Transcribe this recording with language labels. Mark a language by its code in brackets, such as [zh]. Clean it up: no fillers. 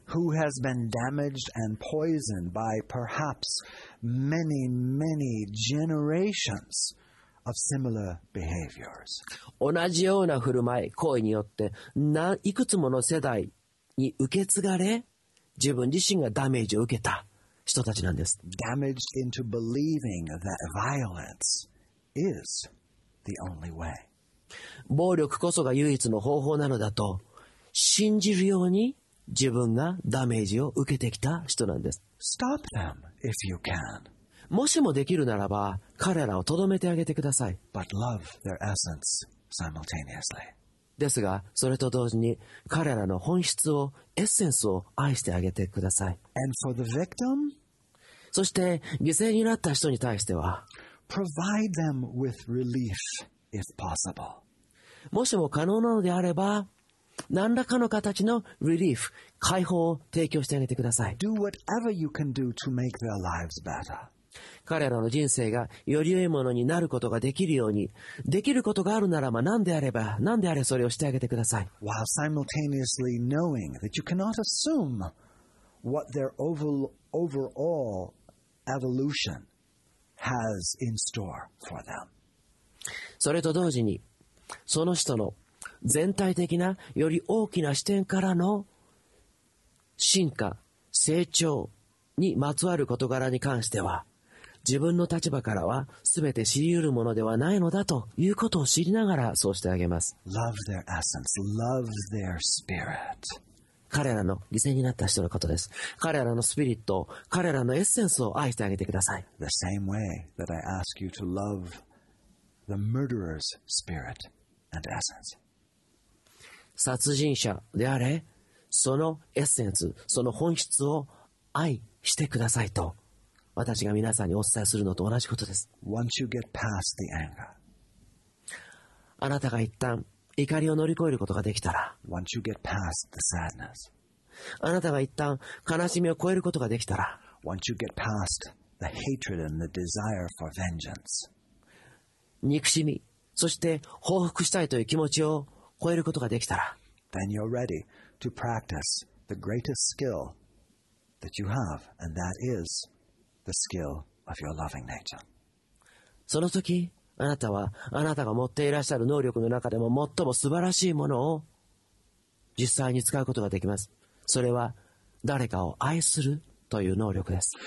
[en] Who has been damaged and poisoned by perhaps many, many generations of similar behaviors. [ja] 同じような振る舞い、行為によって何いくつもの世代に受け継がれ、自分自身がダメージを受けた人たちなんです。 [en] Damaged into believing that violenceIs the only way. [ja] 暴力こそが唯一の方法なのだと信じるように自分がダメージを受けてきた人なんです。 [en] Stop them if you can. [ja] もしもできるならば彼らをとどめてあげてください。 [en] But love their essence simultaneously. [ja] ですがそれと同時に彼らの本質を、エッセンスを愛してあげてください。 [en] And for the victim, [ja] そして犠牲になった人に対しては [en] Provide them with relief if possible. [ja] もしも可能なのであれば何らかの形の relief 解放を提供してあげてください。 [en] Do whatever you can do to make their lives better. [ja] 彼らの人生がより良いものになることができるようにできることがあるならば何であれば何であれそれをしてあげてください。 [en] While simultaneously knowing that you cannot assume what their overall evolution has in store for them. [ja] それと同時にその人の全体的なより大きな視点からの進化、成長にまつわる事柄に関しては、自分の立場からは全て知り得るものではないのだということを知りながらそうしてあげます。 [en] Love their essence, love their spirit. [ja] 彼らの犠牲になった人のことです。彼らのスピリット、彼らのエッセンスを愛してあげてください。 [en] The same way that I ask you to love the murderer's spirit and essence. [ja] 殺人者であれそのエッセンスその本質を愛してくださいと私が皆さんにお伝えするのと同じことです。 [en] Once you get past the anger, [ja] あなたが一旦怒りを乗り越えることができたら [en] Once you get past the sadness, [ja] あなたが一旦悲しみを超えることができたら [en] Once you get past the hatred and the desire for vengeance, [ja] 憎しみそして報復したいという気持ちを超えることができたら [en] Then you're ready to practice the greatest skill that you have, and that is the skill of your loving nature. [ja] その時、あなたはあなたが持っていらっしゃる能力の中でも最も素晴らしいものを実際に使うことができます。それは誰かを愛するという能力です。